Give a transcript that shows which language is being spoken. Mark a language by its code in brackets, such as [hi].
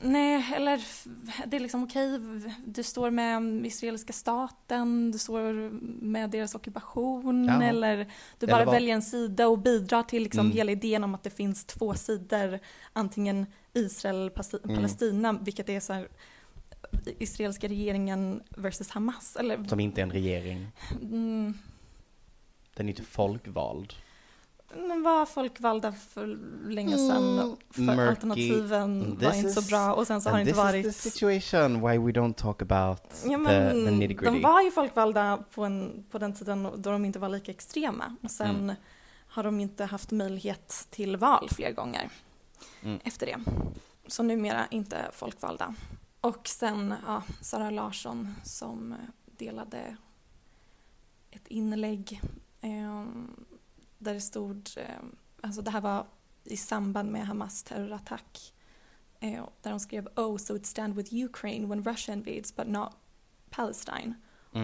[sv] Nej, eller det är liksom okej, du står med israeliska staten, du står med deras ockupation, eller du bara väljer en sida och bidrar till liksom hela idén om att det finns två sidor, antingen Israel eller Palestina, vilket är så här, israeliska regeringen versus Hamas. Eller, som inte är en regering. Den är inte folkvald. Men var folkvalda för länge sedan. För alternativen var inte så bra. Och sen så har det inte varit... [en] This is the situation why we don't talk about the nitty-gritty. [sv] De var ju folkvalda på den tiden då de inte var lika extrema. Och sen har de inte haft möjlighet till val fler gånger efter det. Så numera inte folkvalda. Och sen ja, Sara Larsson som delade ett inlägg där det stod, alltså det här var i samband med Hamas terrorattack, där hon skrev [en] "Oh, so it stand with Ukraine when Russia invades but not Palestine." [sv] Mm.